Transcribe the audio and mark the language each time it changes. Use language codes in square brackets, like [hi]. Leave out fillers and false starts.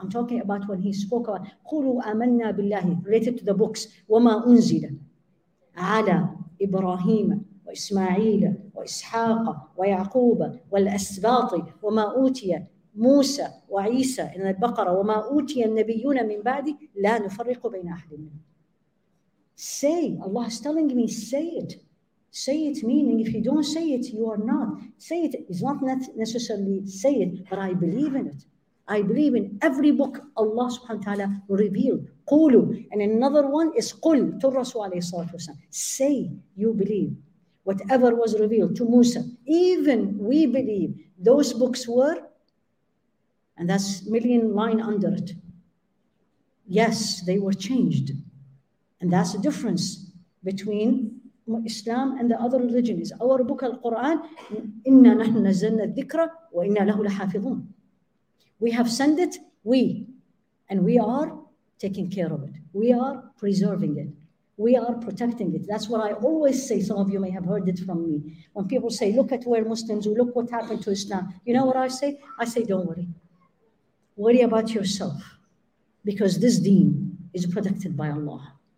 [en] I'm talking about when he spoke about [ar] قُلُوا آمَنَّا بِاللَّهِ, [en] related to the books, [ar] وَمَا أُنزِلَ عَلَى إِبْرَاهِيمَ وَإِسْمَعِيلَ وَإِسْحَاقَ وَيَعْقُوبَ وَالْأَسْبَاطِ وَمَا أُوْتِيَ مُوسَى وَعِيسَى [en] in the Baqarah, [ar] وَمَا أُوْتِيَ النَّبِيُّونَ مِنْ بَعْدِ لَا نُفَرِّقُ بَيْنَ أَحْدٍ مِنْ. [en] Say, Allah is telling me, say it. Say it, meaning if you don't say it, you are not. Say it is not necessarily say it, but I believe in it. I believe in every book Allah subhanahu wa ta'ala revealed. Qulu. And another one is Qul to Rasul alayhi salatu wasalam. Say you believe whatever was revealed to Musa. Even we believe those books were, and that's million line under it. Yes, they were changed. And that's the difference between Islam and the other religions. Our book, Al-Quran, [ar] إِنَّا نَحْنُ نَزَّلْنَا الذِّكْرَ وَإِنَّا لَهُ لَحَافِظُونَ. [en] We have sent it, we. And we are taking care of it. We are preserving it. We are protecting it. That's what I always say. Some of you may have heard it from me. When people say, look at where Muslims, look what happened to Islam. You know what I say? I say, don't worry. Worry about yourself. Because this deen is protected by Allah.